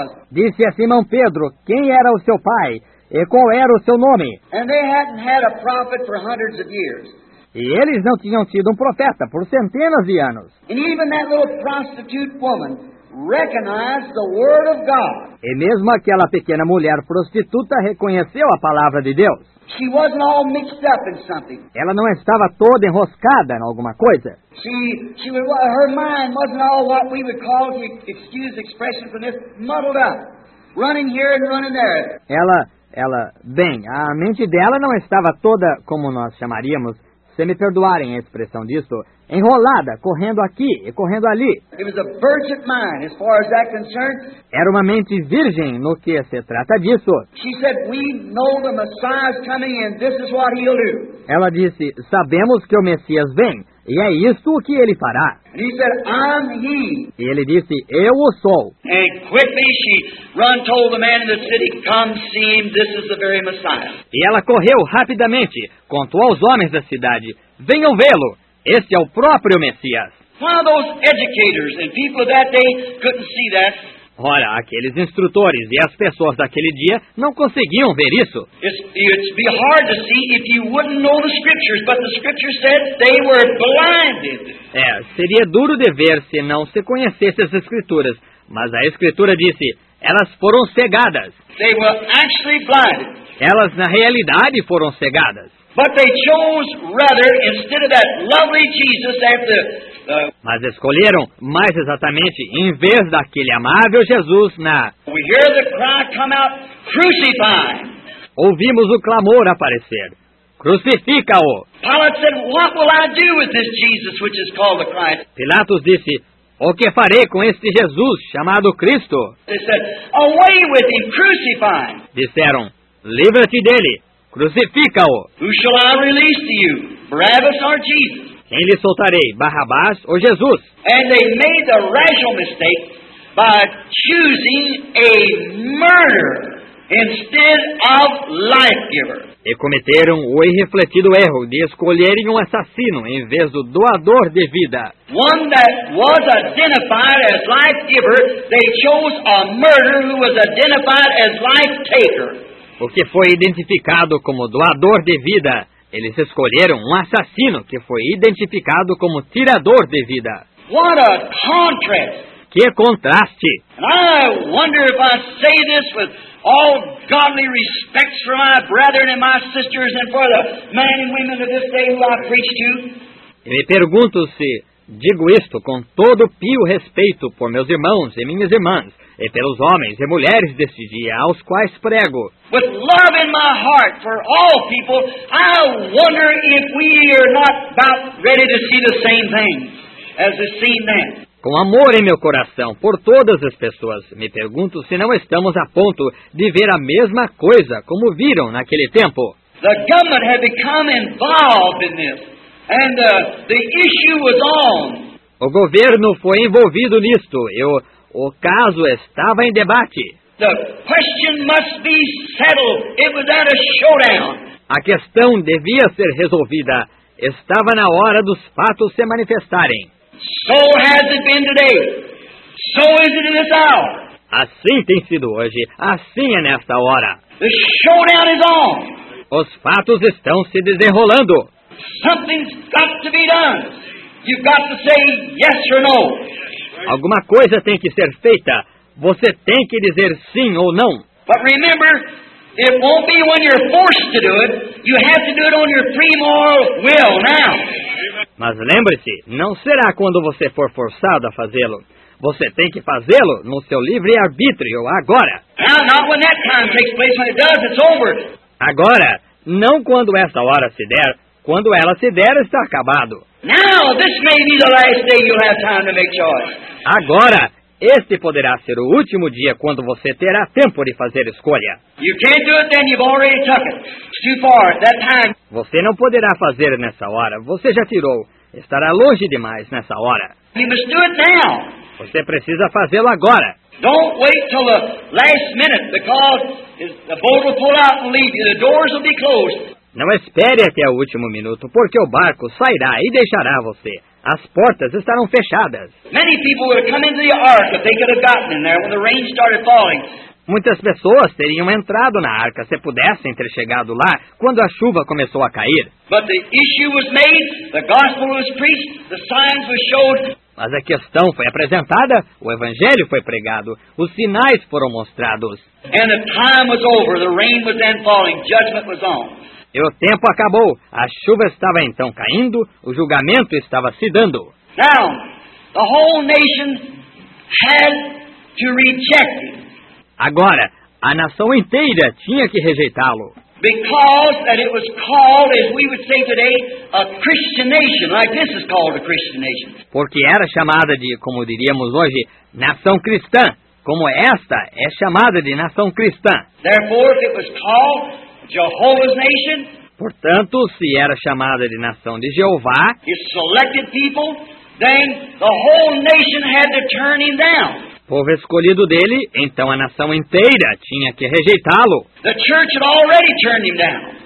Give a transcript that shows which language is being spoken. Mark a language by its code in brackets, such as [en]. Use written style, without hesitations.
[pt] Disse a Simão Pedro quem era o seu pai e qual era o seu nome. E eles não tinham tido um profeta por centenas de anos. E eles não tinham tido um profeta por centenas de anos. [en] And even that little prostitute woman recognized the word of God. [pt] E mesmo aquela pequena mulher prostituta reconheceu a palavra de Deus. [en] She wasn't all mixed up in something. [pt] Ela não estava toda enroscada em alguma coisa. [en] Her mind wasn't all what we would call the excuse expression for this muddled up, running here and running there. [pt] Ela, a mente dela não estava toda como nós chamaríamos. Se me perdoarem a expressão disso, enrolada, correndo aqui e correndo ali. [en] It was a virgin mind, as far as that concerned. [pt] Era uma mente virgem no que se trata disso. [en] She said, "We know the Messiah's coming, and this is what he'll do." [pt] Ela disse, sabemos que o Messias vem, e é isto o que ele fará. [en] And he said, "I'm he." [pt] E ele disse, eu o sou. [en] And quickly she run told the man in the city, "Come see him, this is the very Messiah." [pt] E ela correu rapidamente, contou aos homens da cidade, venham vê-lo. Este é o próprio Messias. [en] Some of those educators and people of that day couldn't see that. [pt] Ora, aqueles instrutores e as pessoas daquele dia não conseguiam ver isso. [en] It's be hard to see if you wouldn't know the scriptures, but the scriptures said they were blinded. [pt] É, seria duro de ver se não se conhecesse as escrituras, mas a escritura disse, elas foram cegadas. [en] They were actually blinded. [pt] Elas na realidade foram cegadas. [en] But they chose rather instead of that lovely Jesus after the [pt] mas escolheram mais exatamente em vez daquele amável Jesus na [en] we hear the cry come out, crucify. [pt] Ouvimos o clamor aparecer. Crucifica-o. [en] Pilate said, what will I do with this Jesus which is called the Christ? [pt] Pilatos disse, o que farei com este Jesus chamado Cristo? [en] They said, away with him, crucify. [pt] Disseram, livra-te dele. Crucifica-o. [en] Who shall I release to you, Barabbas or Jesus? [pt] Quem lhe soltarei, Barrabás ou Jesus? [en] And they made the rational mistake by choosing a murderer instead of life giver. [pt] E cometeram o irrefletido erro de escolherem um assassino em vez do doador de vida. [en] One that was identified as life giver, they chose a murderer who was identified as life taker. [pt] Porque foi identificado como doador de vida, eles escolheram um assassino que foi identificado como tirador de vida. [en] What a contrast! [pt] Que contraste! [en] And I wonder if I say this with all godly respects for my brethren and my sisters and for the men and women of this day who I preach to. [pt] E me pergunto se digo isto com todo pio respeito por meus irmãos e minhas irmãs. E pelos homens e mulheres deste dia aos quais prego. [en] With love in my heart for all people, I wonder if we are not about ready to see the same things as the same man. [pt] Com amor em meu coração por todas as pessoas, me pergunto se não estamos a ponto de ver a mesma coisa como viram naquele tempo. [en] The government had become involved in this, and the issue was on. [pt] O governo foi envolvido nisto. O caso estava em debate. [en] The question must be settled. It was at a showdown. [pt] A questão devia ser resolvida. Estava na hora dos fatos se manifestarem. [en] So has it been today. So is it in this hour. [pt] Assim tem sido hoje. Assim é nesta hora. [en] The showdown is on. [pt] Os fatos estão se desenrolando. [en] Something's got to be done. You've got to say yes or no. [pt] Alguma coisa tem que ser feita. Você tem que dizer sim ou não. [en] But remember, it won't be when you're forced to do it. You have to do it on your free moral will now. [pt] Mas lembre-se, não será quando você for forçado a fazê-lo. Você tem que fazê-lo no seu livre arbítrio agora. [en] Now, not when that time takes place. When it does, it's over. [pt] Agora, não quando essa hora se der. Quando ela se der, está acabado. [en] Now, this may be the last day you have time to make choice. [pt] Agora, este poderá ser o último dia quando você terá tempo de fazer escolha. [en] You can't do it then, you've already took it. It's too far at that time. [pt] Você não poderá fazer nessa hora. Você já tirou. Estará longe demais nessa hora. [en] You must do it now. [pt] Você precisa fazê-lo agora. [en] Don't wait till the last minute, because the boat will pull out and leave you. The doors will be closed. [pt] Não espere até o último minuto, porque o barco sairá e deixará você. As portas estarão fechadas. [en] Many people would have come into the ark if they could have gotten in there when the rain started falling. [pt] Muitas pessoas teriam entrado na arca se pudessem ter chegado lá quando a chuva começou a cair. [en] But the issue was made, the gospel was preached, the signs were showed. [pt] Mas a questão foi apresentada, o evangelho foi pregado, os sinais foram mostrados. [en] And the time was over, the rain was then falling, judgment was on. [pt] E o tempo acabou, a chuva estava então caindo, o julgamento estava se dando. [en] Now, the whole nation had to reject him. [pt] Agora, a nação inteira tinha que rejeitá-lo. [en] Because that it was called, as we would say today, a Christian nation, like this is called a Christian nation. [pt] Porque era chamada de, como diríamos hoje, nação cristã, como esta é chamada de nação cristã. [en] Therefore, if it was called Jehovah's nation, [pt] portanto, se era chamada de nação de Jeová, [en] his selected people, then the whole nation had to turn him down. [pt] Povo escolhido dele, então a nação inteira tinha que rejeitá-lo. [en] The church had already turned him down.